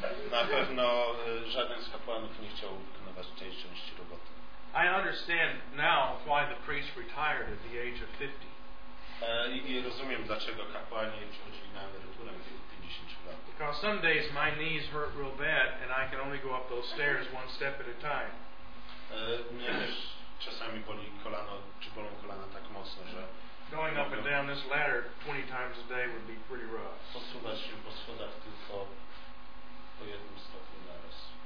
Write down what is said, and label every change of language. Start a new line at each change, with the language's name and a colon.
Polish: Na pewno żaden z kapłanów nie chciał wykonywać tej części roboty.
English: I understand now why the priest retired at the age of 50.
Polish: I rozumiem, dlaczego kapłani przychodzili na emeryturę w 50 lat.
English: Because some days my knees hurt real bad and I can only go up those stairs one step at a time.
Polish: Mnie też czasami boli kolano, czy bolą kolana tak mocno, że
English: going up and down this ladder 20 times a day would be pretty rough.
Polish: Posuwać się po schodach tylko po jednym stopniu na raz.